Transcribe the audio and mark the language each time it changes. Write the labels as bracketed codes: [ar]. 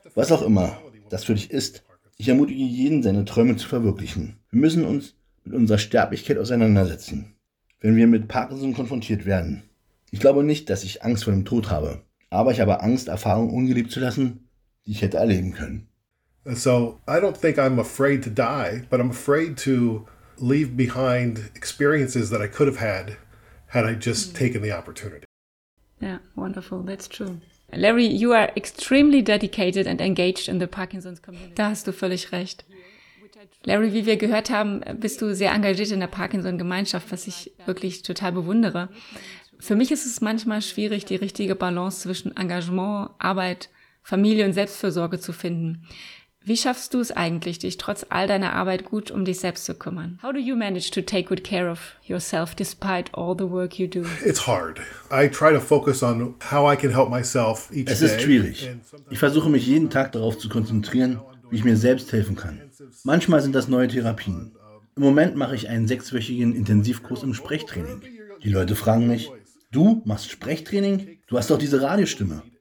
[de] Was auch immer das für dich ist, ich ermutige jeden, seine Träume zu verwirklichen. Wir müssen uns mit unserer Sterblichkeit auseinandersetzen, wenn wir mit Parkinson konfrontiert werden. Ich glaube nicht, dass ich Angst vor dem Tod habe, aber ich habe Angst, Erfahrungen ungeliebt zu lassen, die ich hätte erleben können. [en] So, I don't think I'm afraid to die, but I'm afraid to leave behind experiences that I could have had, had I just taken the opportunity. Yeah, wonderful, that's true. Larry, you are extremely dedicated and engaged in the Parkinson's community. [de] Da hast du völlig recht. Larry, wie wir gehört haben, bist du sehr engagiert in der Parkinson-Gemeinschaft, was ich wirklich total bewundere. Für mich ist es manchmal schwierig, die richtige Balance zwischen Engagement, Arbeit, Familie und Selbstfürsorge zu finden. Wie schaffst du es eigentlich, dich trotz all deiner Arbeit gut um dich selbst zu kümmern? [en] How do you manage to take good care of yourself despite all the work you do? It's hard. I try to focus on how I can help myself each day. [de] Es ist schwierig. Ich versuche mich jeden Tag darauf zu konzentrieren, wie ich mir selbst helfen kann. Manchmal sind das neue Therapien. Im Moment mache ich einen 6-wöchigen Intensivkurs im Sprechtraining. Die Leute fragen mich, du machst Sprechtraining? Du hast doch diese Radiostimme.